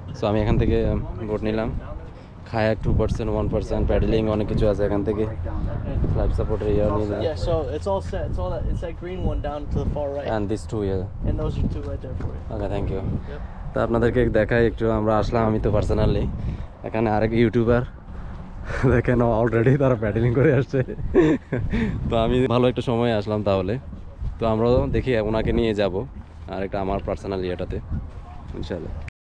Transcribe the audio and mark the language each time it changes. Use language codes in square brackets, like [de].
[bn] আমি এখান থেকে বোট নিলাম, খায়াক 2%, 1% প্যাডেলিং অনেক কিছু আছে এখান থেকে। লাইফ সাপোর্টের ইয়ার নিলাম। [en] Yeah, so it's all set, it's all that, it's that green one down to the far right. And this two here. And those are two right there for you. Okay, thank you. Yep. [bn] তো আপনাদেরকে দেখাই একটু, আমরা আসলাম, আমি তো personally এখানে আরেক YouTuber, দেখেন অলরেডি তারা প্যাডেলিং করে আসছে। তো আমি ভালো একটা সময় আসলাম তাহলে। তো আমরা দেখি ওনাকে নিয়ে যাব আর একটা আমার পার্সোনাল ইয়েটাতে ইনশাল্লাহ।